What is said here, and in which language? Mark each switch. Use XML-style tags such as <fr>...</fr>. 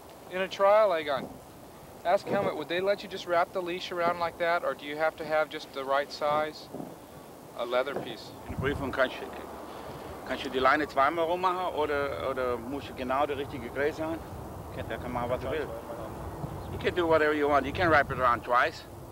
<en>In a trial, Egon, ask Helmut, would they let you just wrap the leash around like that, or do you have to have just the right size, a leather piece?</en> <de>In Prüfung kannst du die Leine zweimal rummachen, oder musst du genau die richtige Größe haben? Da kann man was will.</de> <en>You can do whatever you want. You can wrap it around twice.</en>